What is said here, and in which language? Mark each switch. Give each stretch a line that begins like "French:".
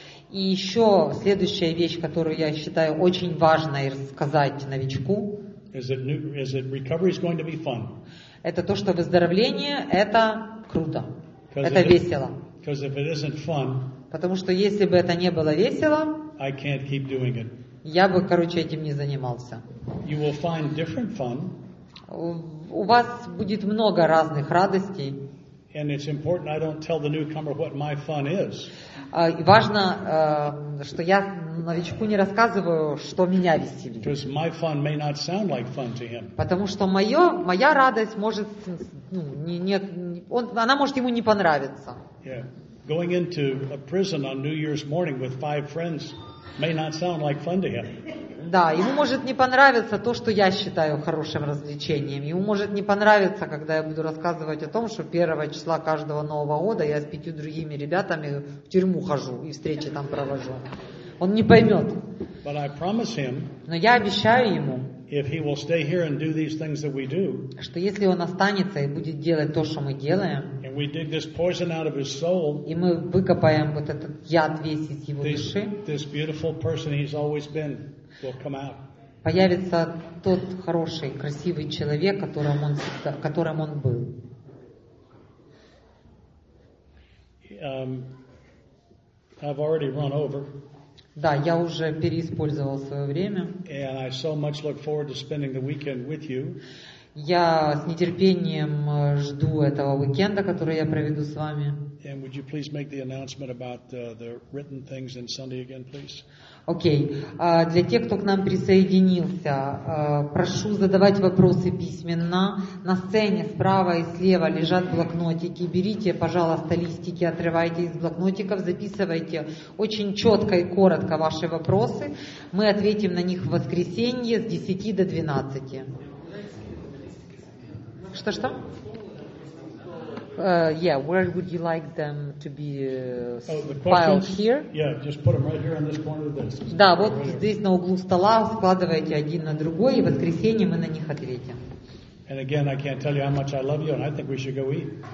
Russian: И еще следующая вещь, которую я считаю очень важной рассказать новичку.
English: Is it recovery is going to be fun?
Russian: Это то, что выздоровление это круто. Это весело.
English: Because if it isn't fun,
Russian: потому что если бы это не было весело,
English: I can't keep doing it.
Russian: Я бы, короче, этим не занимался.
English: You will find different fun.
Russian: У вас будет много разных радостей.
English: And it's important I don't tell the newcomer what my fun is.
Russian: Важно, что я новичку не рассказываю, что меня веселит.
English: Because my fun may not sound like fun to him.
Russian: Потому что моя радость может, она может ему не понравиться.
English: Yeah. Going into a prison on New Year's morning with five friends may not sound like fun to him.
Russian: Да, ему может не понравиться то, что я считаю хорошим развлечением. Ему может не понравиться, когда я буду рассказывать о том, что 1 числа каждого Нового года я с 5 другими ребятами в тюрьму хожу и встречи там провожу. Он не поймет.
English: But I promise him,
Russian: но я обещаю ему,
English: if he will stay here and do these things that we do,
Russian: что если он останется и будет делать то, что мы делаем,
English: and we dig this poison out of his soul,
Russian: и мы выкопаем вот этот яд весь из его души,
English: this beautiful person he's always been will come out.
Russian: Появится тот хороший, красивый человек, которым он был.
English: I've already run over.
Russian: Да, я уже переиспользовал свое время.
English: And I so much look forward to spending the weekend with you.
Russian: Я с нетерпением жду этого уикенда, который я проведу с вами.
English: And would you please make the announcement about the written things in Sunday again, please?
Russian: Окей. Для тех, кто к нам присоединился, прошу задавать вопросы письменно. На сцене справа и слева лежат блокнотики. Берите, пожалуйста, листики, отрывайте из блокнотиков, записывайте очень четко и коротко ваши вопросы. Мы ответим на них в воскресенье с 10 до 12. Что-что?
English: Yeah, where would you like them to be filed here? Yeah, just put them right here on this corner of this.
Russian: Да, вот здесь на углу стола складывайте один на другой, и в воскресенье мы на них ответим.
English: And again, I can't tell you how much I love you, and I think we should go eat.